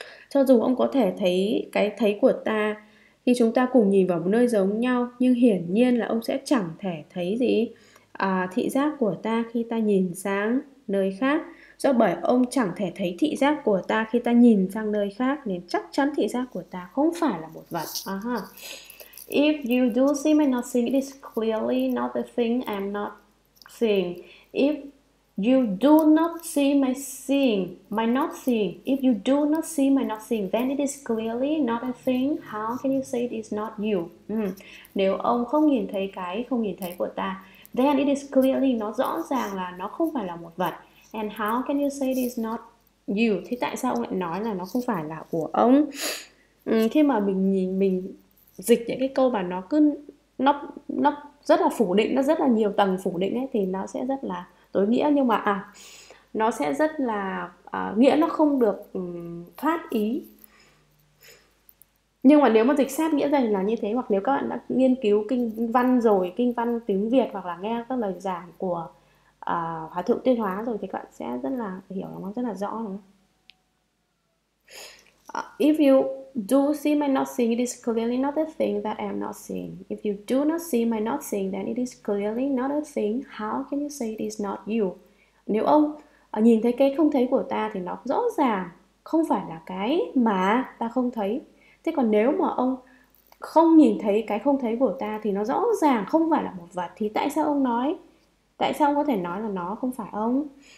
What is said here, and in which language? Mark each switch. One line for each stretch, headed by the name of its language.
Vietnamese: Cho dù ông có thể thấy cái thấy của ta khi chúng ta cùng nhìn vào một nơi giống nhau, nhưng hiển nhiên là ông sẽ chẳng thể thấy gì thị giác của ta khi ta nhìn sang nơi khác, do bởi ông chẳng thể thấy thị giác của ta khi ta nhìn sang nơi khác, nên chắc chắn thị giác của ta không phải là một vật.
English: If you do see me not seeing, it is clearly not the thing I'm not seeing. If you do not see my not seeing, if you do not see my not seeing, then it is clearly not a thing. How can you say it is not you?
Vietnamese: Nếu ông không nhìn thấy cái không nhìn thấy của ta,
English: then it is clearly,
Vietnamese: nó rõ ràng là nó không phải là một vật.
English: And how can you say it is not you?
Vietnamese: Thì tại sao ông lại nói là nó không phải là của ông? Khi mà mình nhìn, mình dịch những cái câu mà nó cứ nó rất là phủ định, nó rất là nhiều tầng phủ định ấy, thì nó sẽ rất là tối nghĩa, nhưng mà nó sẽ rất là nghĩa nó không được thoát ý. Nhưng mà nếu mà dịch sát nghĩa ra là như thế, hoặc nếu các bạn đã nghiên cứu kinh văn rồi, kinh văn tiếng Việt, hoặc là nghe các lời giảng của Hòa Thượng Tuyên Hóa rồi, thì các bạn sẽ rất là hiểu, nó rất là rõ, đúng không?
English: If you do see my not seeing, it is clearly not a thing that I am not seeing. If you do not see my not seeing, then it is clearly not a thing. How can you say it is not you?
Vietnamese: Nếu ông nhìn thấy cái không thấy của ta, thì nó rõ ràng không phải là cái mà ta không thấy. Thế còn nếu mà ông không nhìn thấy cái không thấy của ta, thì nó rõ ràng không phải là một vật. Thì tại sao ông nói, tại sao ông có thể nói là nó không phải ông?